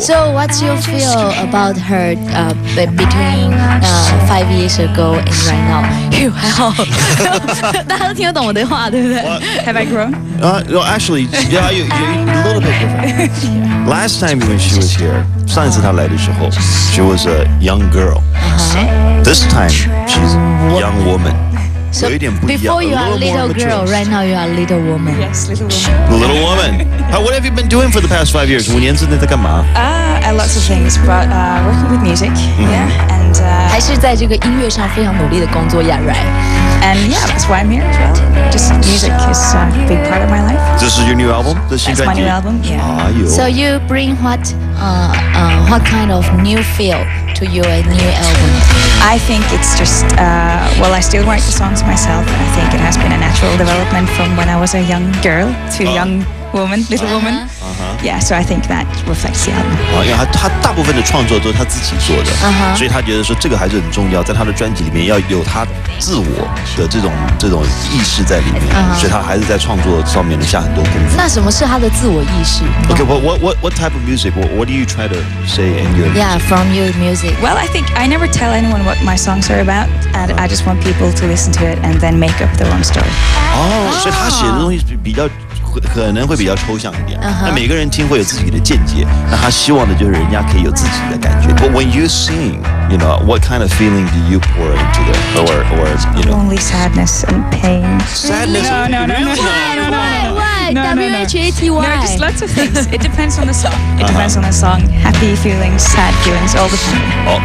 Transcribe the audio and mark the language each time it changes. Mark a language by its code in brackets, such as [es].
[en] So what's your feel about her between 5 years ago and right now? [zh] 还好，大家都听得懂我的话，对不对 [en] ？Have I grown? Actually, yeah, you're a little bit different. Last time when she was here, [zh] 上一次她来的时候 [en] she was a young girl. This time, she's a young woman. So, before you are a little girl, right now you are a little woman. Yes, little woman. Little woman. What have you been doing for the past 5 years? [zh] 五年之内在干嘛？ [en] Lots of things, but working with music, yeah, and [zh] 还是在这个音乐上非常努力的工作 [en] yeah, right. And yeah, that's why I'm here as well. Just music is a big part of my life. This is your new album? That's my new album, yeah. So you bring what kind of new feel to your new album? I think it's just, I still write the songs myself, and I think it has been a natural development from when I was a young girl to young woman, little woman. Yeah, so I think that reflects the album. [zh] 因为他大部分的创作都是他自己做的，所以他觉得说这个还是很重要，在他的专辑里面要有他自我的这种意识在里面，所以他还是在创作上面下很多功夫。那什么是他的自我意识 [en] ？Okay, what type of music? What do you try to say in your music? Yeah, from your music. Well, I think I never tell anyone what my songs are about, and I just want people to listen to it and then make up their own story. [zh] 所以他写的东西比较。可能会比较抽象一点，那每个人听会有自己的见解，那他希望的就是人家可以有自己的感觉。 [en] But when you sing, you know, what kind of feeling do you pour into the or you know? Only sadness and pain. Sadness? No. Why? W-H-A-T-Y? No, just lots of things. It depends on the song. Happy feelings, sad feelings, all the time.